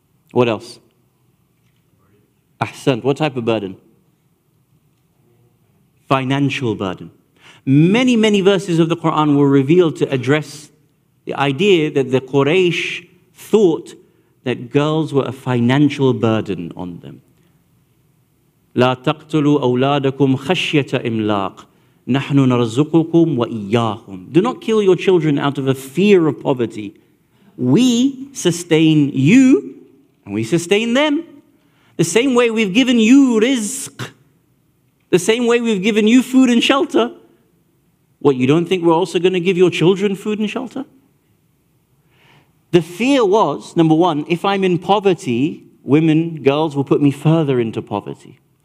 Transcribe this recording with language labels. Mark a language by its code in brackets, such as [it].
[en] What else? Ahsan, what type of burden? Financial burden. Many, many verses of the Quran were revealed to address the idea that the Quraysh thought that girls were a financial burden on them. [ar] لا تقتلوا أولادكم خشية إملاق نحن نرزقكم وإياهم. [en] Do not kill your children out of a fear of poverty. We sustain you, and we sustain them. The same way we've given you rizq, the same way we've given you food and shelter. What, you don't think we're also going to give your children food and shelter? The fear was, number one, if I'm in poverty, women, girls will put me further into poverty.